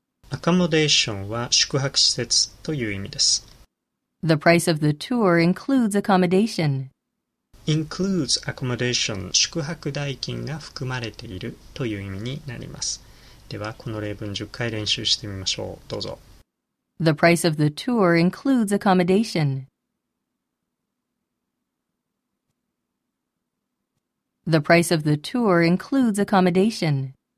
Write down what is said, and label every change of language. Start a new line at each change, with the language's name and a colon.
Japanese: Accommodation は宿泊施設という意味です。
English: The price of the tour includes accommodation.
Japanese: Includes accommodation 宿泊代金が含まれているという意味になります。ではこの例文10回練習してみましょう。どうぞ。
English: The price of the tour includes accommodation. The price of the tour includes accommodation.